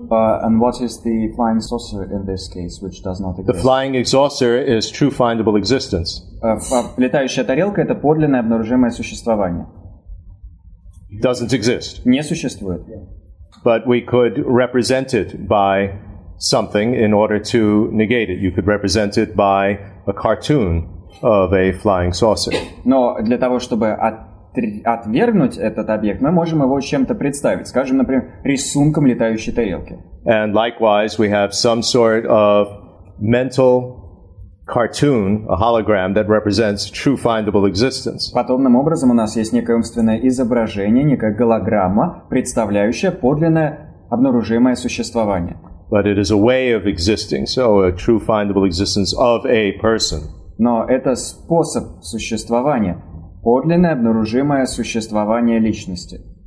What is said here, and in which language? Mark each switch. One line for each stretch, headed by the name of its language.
English: And what is the flying saucer in this case, which does not exist? The flying saucer is true findable existence.
Russian: Летающая тарелка — это подлинное обнаружимое существование.
English: Doesn't exist.
Russian: Не существует.
English: But we could represent it by something in order to negate it. You could represent it by a cartoon of a flying saucer.
Russian: Но для того, чтобы отвергнуть этот объект, мы можем его чем-то представить. Скажем, например, рисунком летающей тарелки.
English: And likewise, we have some sort of mental cartoon, a hologram that represents true findable existence.
Russian: Подобным образом у нас есть некое умственное изображение, некая голограмма, представляющая подлинное обнаружимое существование.
English: But it is a way of existing, so a true findable existence of a person.
Russian: Но это способ существования. Подлинное обнаружимое существование личности.